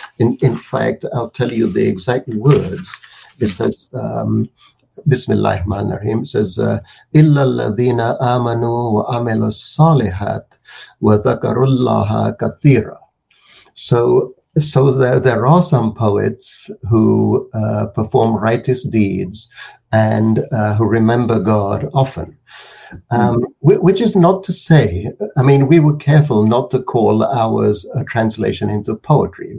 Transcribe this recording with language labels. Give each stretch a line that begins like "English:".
English: In fact, I'll tell you the exact words. It says, Bismillahirrahmanirrahim, it says,
Arabic: إِلَّا الَّذِينَ آمَنُوا وَعَمِلُوا الصَّالِحَاتِ وَذَكَرُوا اللَّهَ كَثِيرًا.
English: So there are some poets who perform righteous deeds and who remember God often, which is not to say, I mean, we were careful not to call ours a translation into poetry.